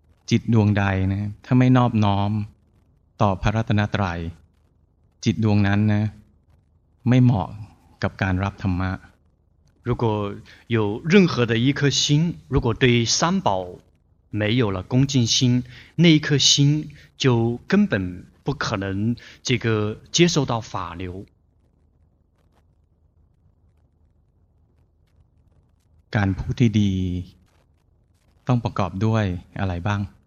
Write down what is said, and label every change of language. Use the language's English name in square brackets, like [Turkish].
[Thai] จิตดวงใดนะถ้าไม่นอบน้อมต่อพระรัตนตรัยจิตดวงนั้นนะไม่เหมาะกับการรับธรรมะ [Chinese] 如果有任何的一颗心如果对三宝没有了恭敬心那一颗心就根本不可能这个接受到法流 [Thai] การพูดที่ดีต้องประกอบด้วยอะไรบ้าง